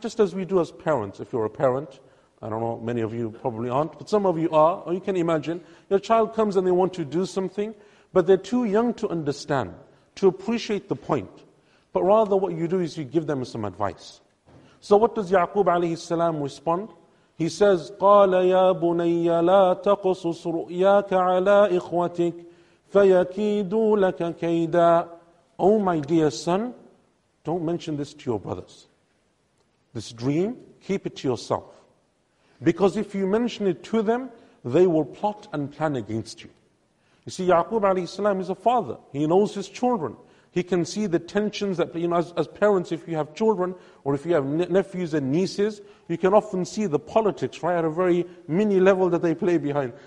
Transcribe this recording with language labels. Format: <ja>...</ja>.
<en>Just as we do as parents, if you're a parent, I don't know, many of you probably aren't, but some of you are, or you can imagine, your child comes and they want to do something, but they're too young to understand, to appreciate the point. But rather what you do is you give them some advice. So what does Ya'qub alayhi salam respond? He says,</en> <ar>قَالَ يَا بُنَيَّ لَا تَقْصُصْ رُؤْيَاكَ عَلَىٰ إِخْوَتِكَ فَيَكِيدُوا لَكَ كَيْدًا.</ar> <en>Oh my dear son, don't mention this to your brothers. This dream, keep it to yourself. Because if you mention it to them, they will plot and plan against you. You see, Ya'qub alayhi salam is a father. He knows his children. He can see the tensions that, you know, as parents, if you have children or if you have nephews and nieces, you can often see the politics, right, at a very mini level that they play behind.</en>